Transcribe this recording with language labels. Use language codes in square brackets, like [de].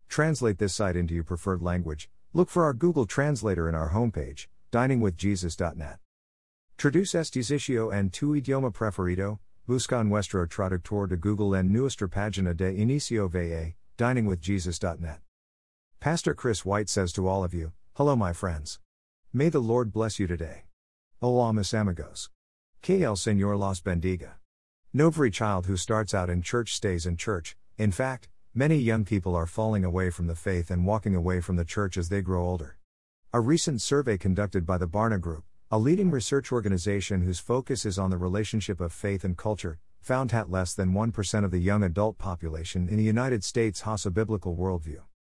[en] Translate this site into your preferred language. Look for our Google Translator in our homepage, diningwithjesus.net. [es] Traduce este sitio en tu idioma preferido, busca nuestro traductor de Google en nuestra página de inicio VA, diningwithjesus.net. [en] Pastor Chris White says to all of you, hello my friends. May the Lord bless you today. [es] Hola mis amigos. Que el Señor los bendiga. [en] No every child who starts out in church stays in church. In fact, many young people are falling away from the faith and walking away from the church as they grow older. A recent survey conducted by the Barna Group, a leading research organization whose focus is on the relationship of faith and culture, found that less than 1% of the young adult population in the United States has a biblical worldview.